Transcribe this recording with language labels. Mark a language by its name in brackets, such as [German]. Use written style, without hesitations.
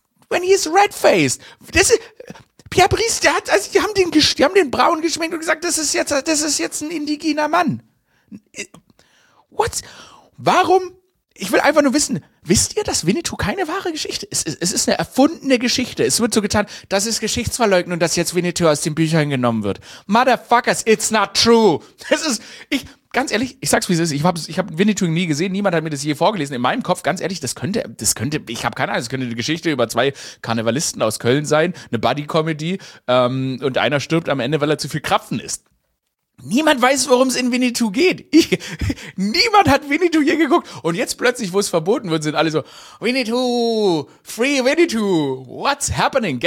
[English] When he's red-faced. [German] Das ist... Pierre Brice, die haben den braun geschminkt und gesagt, das ist jetzt ein indigener Mann. [English] What? [German] Warum? Ich will einfach nur wissen, wisst ihr, dass Winnetou keine wahre Geschichte ist? Es ist eine erfundene Geschichte. Es wird so getan, das ist Geschichtsverleugnung, dass jetzt Winnetou aus den Büchern genommen wird. [English] Motherfuckers, it's not true. [German] Ganz ehrlich, ich sag's wie es ist, ich hab Winnetou nie gesehen, niemand hat mir das je vorgelesen. In meinem Kopf, ganz ehrlich, das könnte, ich habe keine Ahnung, das könnte eine Geschichte über zwei Karnevalisten aus Köln sein, eine Buddy-Comedy, und einer stirbt am Ende, weil er zu viel Krapfen isst. Niemand weiß, worum es in Winnetou geht. Niemand hat Winnetou je geguckt und jetzt plötzlich, wo es verboten wird, sind alle so, Winnetou, [English] free Winnetou, what's happening?